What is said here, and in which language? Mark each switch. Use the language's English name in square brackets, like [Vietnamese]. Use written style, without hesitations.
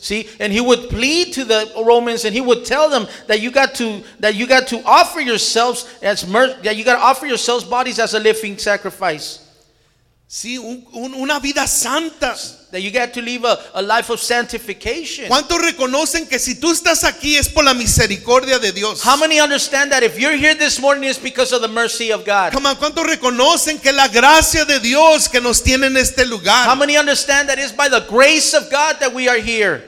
[English] See, and he would plead to the Romans, and he would tell them that you got to offer yourselves that you got to offer yourselves bodies as a living sacrifice. [Spanish] Sí, una vida santa. [English] That you got to live a life of sanctification. [Spanish] ¿Cuántos reconocen que si tú estás aquí es por la misericordia de Dios? [English] How many understand that if you're here this morning it's because of the mercy of God? Come on, [Spanish] ¿cuántos reconocen que la gracia de Dios que nos tiene en este lugar? [English] How many understand that it's by the grace of God that we are here?